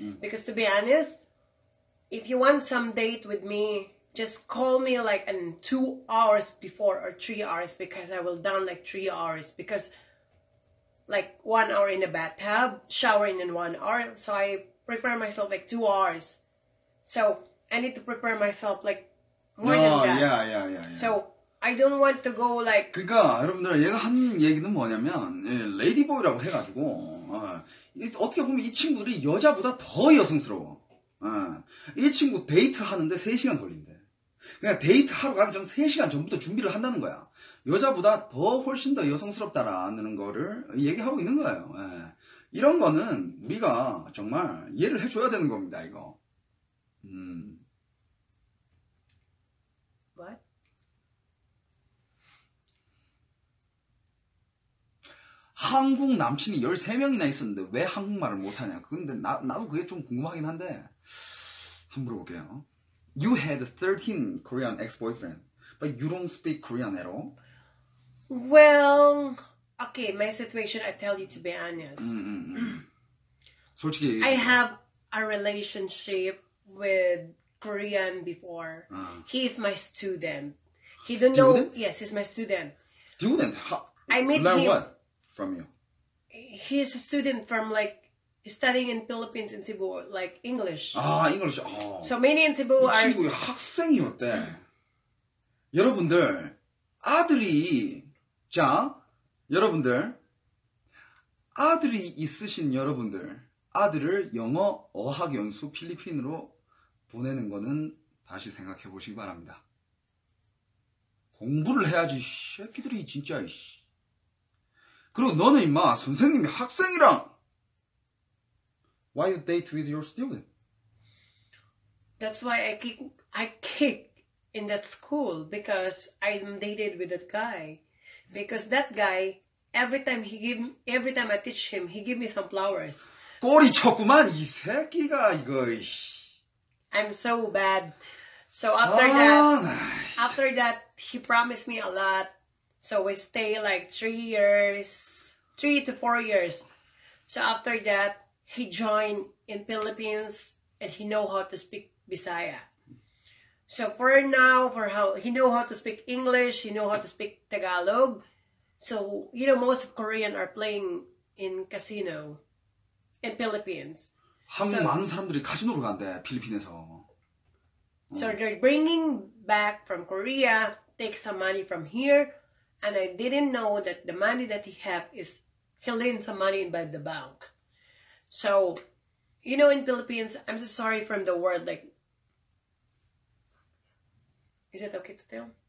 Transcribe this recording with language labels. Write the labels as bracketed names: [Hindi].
[English] Because to be honest, if you want some date with me, just call me like in 2 hours before or 3 hours. Because I will down like 3 hours. Because like 1 hour in the bathtub, showering in 1 hour. So I prepare myself like 2 hours. So I need to prepare myself like more than that. Yeah. So I don't want to go like. [Korean] 그러니까 여러분들 얘가 한 얘기는 뭐냐면 레이디보이라고 해가지고 어떻게 보면 이 친구들이 여자보다 더 여성스러워. 이 친구 데이트 하는데 3시간 걸린대. 그냥 데이트 하러 가기 전 3시간 전부터 준비를 한다는 거야. 여자보다 더 훨씬 더 여성스럽다라는 거를 얘기하고 있는 거예요. 예. 이런 거는 우리가 정말 이해를 해줘야 되는 겁니다, 이거. 한국 남친이 13명이나 있었는데 왜 한국말을 못하냐. 근데 나도 그게 좀 궁금하긴 한데 한번 물어볼게요. [English] You had 13 Korean ex-boyfriend, but you don't speak Korean at all? Well, okay, my situation, I tell you to be honest. [Korean] 솔직히 [English] I have a relationship with Korean before. 아. He's my student. He don't know. Yes, he's my student. Student? How? I met Learn him. What from you? He's a student from like studying in Philippines in Cebu, like English. Ah, English. Oh. So many in Cebu are. [Korean] 이 친구가 학생이었대. 여러분들 아들이 자 여러분들 아들이 있으신 여러분들 아들을 영어 어학 연수 필리핀으로 보내는 거는 다시 생각해 보시기 바랍니다. 공부를 해야지, 새끼들이 진짜. 그리고 너는 임마, 선생님이 학생이랑. [English] Why you date with your student? That's why I kick in that school because I'm dated with that guy. Because that guy, every time I teach him, he give me some flowers. [Korean] 꼬리 쳤구만, 이 새끼가 이거. [English] I'm so bad. So after that, after that, he promised me a lot. So we stay like 3 years, 3 to 4 years. So after that, he joined in Philippines and he know how to speak Bisaya. So for now, for how he know how to speak English, he know how to speak Tagalog. So, you know, most of Korean are playing in casino in Philippines. [Korean] 한국 so, 많은 사람들이 카지노를 간대, 필리핀에서. [English] So they're bringing back from Korea, take some money from here, and I didn't know that the money that he have is he lend some money by the bank. So, you know, in Philippines, I'm so sorry from the word, like, is it okay to tell?